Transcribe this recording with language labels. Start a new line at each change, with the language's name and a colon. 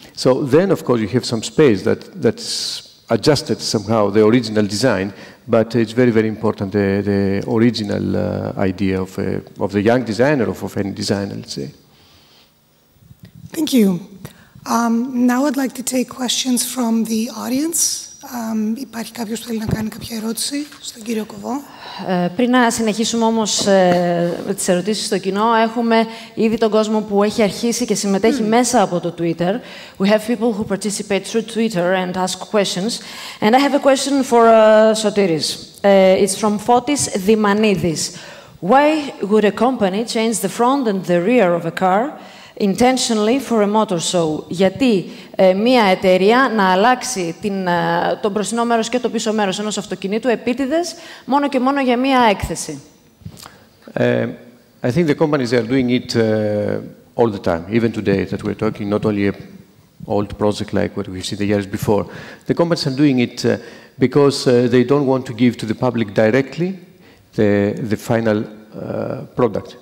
English: So then, of course, you have some space that's adjusted somehow the original design, but it's very, very important the original idea of the young designer or of any designer, let's say. Thank you. Now I'd like to take questions from the audience.
Greek: Υπάρχει κάποιος που θέλει να κάνει κάποια ερώτηση στον κύριο Κοβό. Πριν να συνεχίσουμε όμως τις ερωτήσεις στο κοινό, έχουμε ήδη τον κόσμο που έχει αρχίσει και συμμετέχει μέσα από το Twitter.
English: We have people who participate through Twitter and ask questions. And I have a question for Sotiris. It's from Fotis Dimanidis. Why would a company change the front and the rear of a car intentionally for a motor show?
Greek: Γιατί μία εταιρεία να αλλάξει το μπροστινό μέρος και το πίσω μέρος ενός αυτοκινήτου επίτηδες μόνο και μόνο για μία έκθεση?
English: I think the companies are doing it all the time, even today that we're talking, not only a old project like what we've seen the years before. The companies are doing it because they don't want to give to the public directly the final product.